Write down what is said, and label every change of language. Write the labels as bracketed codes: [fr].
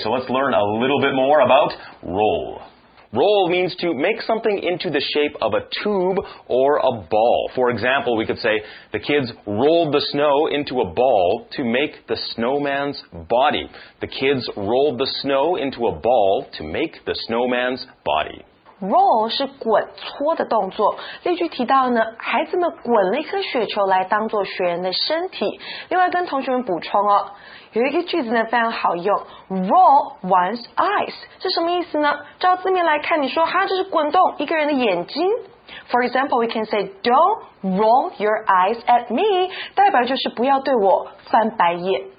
[en] So let's learn a little bit more about roll. Roll means to make something into the shape of a tube or a ball. For example, we could say the kids rolled the snow into a ball to make the snowman's body. The kids rolled the snow into a ball to make the snowman's body. [zh] Roll 是滚搓的动作。例句提到呢，孩子们滚了一颗雪球来当做学员的身体。另外跟同学们补充哦，有一个句子呢非常好用 ， [en] roll one's eyes [zh] 是什么意思呢？照字面来看，你说哈，这是滚动一个人的眼睛。 [en] For example, we can say, "Don't roll your eyes at me." [zh] 代表就是不要对我翻白眼。